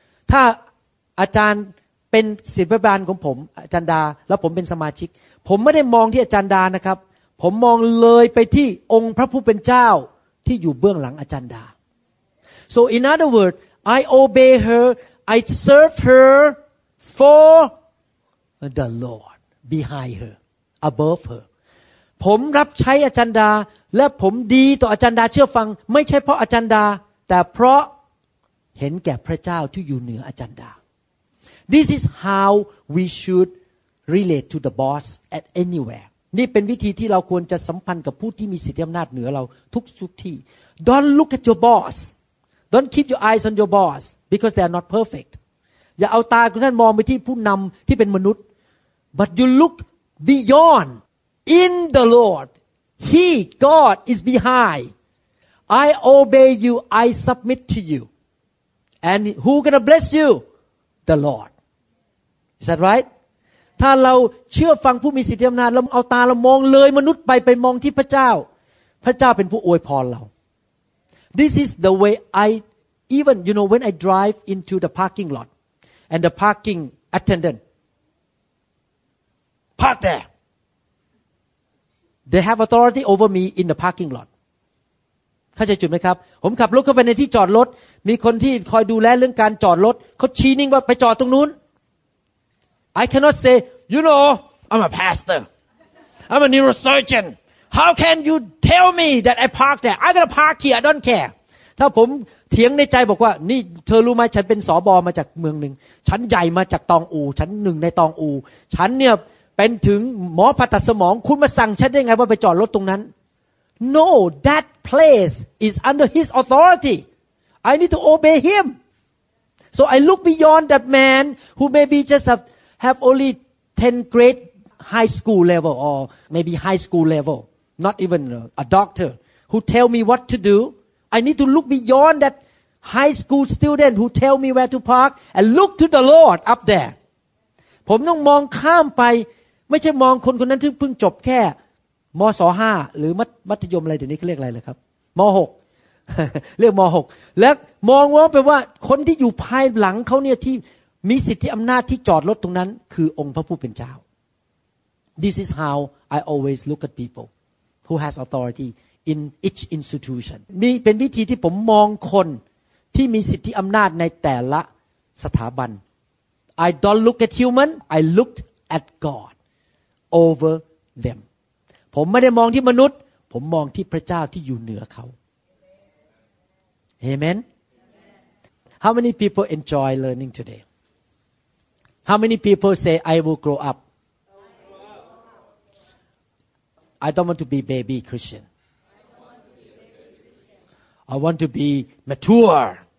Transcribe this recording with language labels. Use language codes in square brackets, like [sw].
[th] ถ้าอาจารย์เป็นศิษย์บาลของผมอาจารย์ดาแล้วผมเป็นสมาชิกผมไม่ได้มองที่อาจารย์ดานะครับผมมองเลยไปที่องค์พระผู้เป็นเจ้าที่อยู่เบื้องหลังอาจารย์ดา [en] So in other words, I obey her, I serve her for the Lord behind her, above her. [th] ผมรับใช้อาจารย์ดาและผมดีต่ออาจารย์ดาเชื่อฟังไม่ใช่เพราะอาจารย์ดาแต่เพราะเห็นแก่พระเจ้าที่อยู่เหนืออาจารย์ดา [en] This is how we should relate to the boss at anywhere [th] นี่เป็นวิธีที่เราควรจะสัมพันธ์กับผู้ที่มีสิทธิอำนาจเหนือเราทุกที่ [en] Don't look at your boss Don't keep your eyes on your boss because they are not perfect [th] อย่าเอาตาของท่านมองไปที่ผู้นำที่เป็นมนุษย์ [en] But you look beyond in the Lord He God is behindI obey you, I submit to you. And who gonna bless you? The Lord. Is that right? [th] ถ้าเราเชื่อฟังผู้มีสิทธิอำนาจเราเอาตาเรามองเลยมนุษย์ไปมองที่พระเจ้าพระเจ้าเป็นผู้อวยพรเรา [en] This is the way I, even, you know, when I drive into the parking lot and the parking attendant park there. They have authority over me in the parking lot. [th] เข้าใจจุดไหมครับผมขับรถเข้าไปในที่จอดรถมีคนที่คอยดูแลเรื่องการจอดรถเขาชี้นิ้วว่าไปจอดตรงนู้น [en] I cannot say you know I'm a pastor I'm a neurosurgeon how can you tell me that I park there I gotta park here I don't care [th] ถ้าผมเถียงในใจบอกว่านี่เธอรู้ไหมฉันเป็นสบมาจากเมืองนึงฉันใหญ่มาจากตองอูฉันหนึ่งในตองอูฉันเนี่ยเป็นถึงหมอผ่าตัดสมองคุณมาสั่งฉันได้ไงว่าไปจอดรถตรงนั้น [en] No, that place is under his authority. I need to obey him. So I look beyond that man who maybe just have only 10 grade high school level or maybe high school level, not even a doctor, who tell me what to do. I need to look beyond that high school student who tell me where to park and look to the Lord up there. [th] ผมต้องมองข้ามไปไม่ใช่มองคนนั้นที่เพิ่งจบแค่ม. ศ.5 หรือมัธยมอะไรเดี๋ยวนี้เขาเรียกอะไรเลยครับม.6 เรียกม.6 และมองว่าแปลว่าคนที่อยู่ภายหลังเขาเนี่ยที่มีสิทธิอำนาจที่จอดรถตรงนั้นคือองค์พระผู้เป็นเจ้า [en] This is how I always look at people who has authority in each institution [th] มีเป็นวิธีที่ผมมองคนที่มีสิทธิอำนาจในแต่ละสถาบัน [en] I don't look at human I looked at God over them [th] ผมไม่ได้มองที่มนุษย์ผมมองที่พระเจ้าที่อยู่เหนือเขา Amen [en] How many people enjoy learning today How many people say I will grow up I don't want to be baby Christian I want to be mature